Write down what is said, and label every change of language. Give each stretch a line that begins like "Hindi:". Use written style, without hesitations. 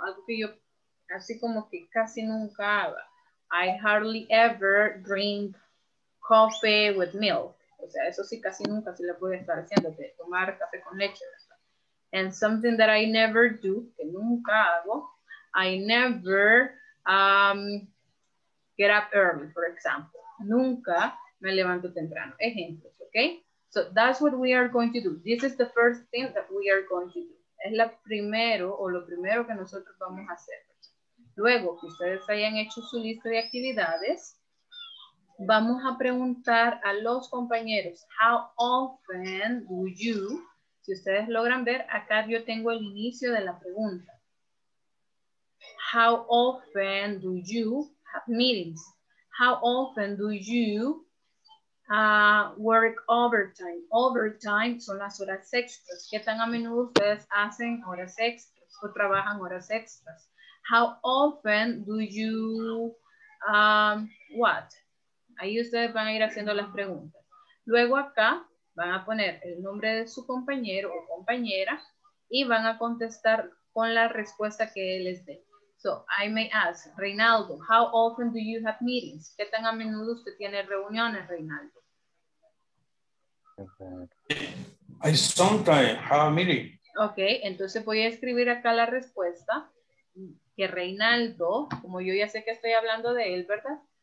Spanish: Algo que yo así como que casi nunca haga.
English: I hardly ever drink coffee with milk.
Spanish: O sea, eso sí, casi nunca se lo puede estar haciendo, de tomar café con leche, ¿verdad?
English: And something that I never do,
Spanish: que nunca hago,
English: I never get up early, for example.
Spanish: Nunca me levanto temprano. Ejemplos, okay?
English: So that's what we are going to do. This is the first thing that we are going to do.
Spanish: Es la primero o lo primero que nosotros vamos a hacer. Luego que ustedes hayan hecho su lista de actividades, vamos a preguntar a los compañeros,
English: how often do you,
Spanish: si ustedes logran ver, acá yo tengo el inicio de la pregunta.
English: How often do you have meetings? How often do you work overtime?
Spanish: Overtime son las horas extras. ¿Qué tan a menudo ustedes hacen horas extras o trabajan horas extras?
English: How often do you, what?
Spanish: Ahí ustedes van a ir haciendo las preguntas. Luego acá van a poner el nombre de su compañero o compañera y van a contestar con la respuesta que él les dé.
English: So I may ask, Reinaldo, how often do you have meetings?
Spanish: ¿Qué tan a menudo usted tiene reuniones, Reinaldo?
English: I sometimes have a meeting.
Spanish: Ok, entonces voy a escribir acá la respuesta. Que Reinaldo, como yo ya sé que estoy hablando de él, ¿verdad?